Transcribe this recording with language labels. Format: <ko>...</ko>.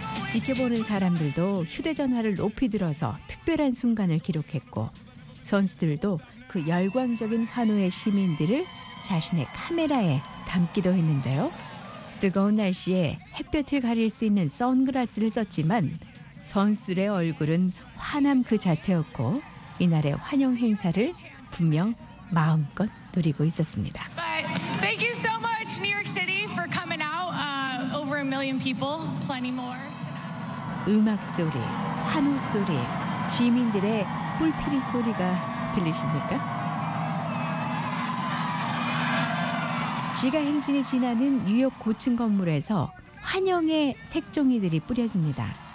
<ko>지켜보는 사람들도 휴대전화를 높이 들어서 특별한 순간을 기록했고 선수들도 그 열광적인 환호의 시민들을 자신의 카메라에 담기도 했는데요. 뜨거운 날씨에 햇볕을 가릴 수 있는 선글라스를 썼지만 선수들의 얼굴은 환함 그 자체였고 이날의 환영 행사를 분명 마음껏 누리고 있었습니다.</ko> <en>But thank you so much New York City for coming out. Over a million people, plenty more.</en> <ko>음악 소리, 환호 소리, 시민들의 뿔피리 소리가 들리십니까? 지가 행진이 지나는 뉴욕 고층 건물에서 환영의 색종이들이 뿌려집니다.</ko>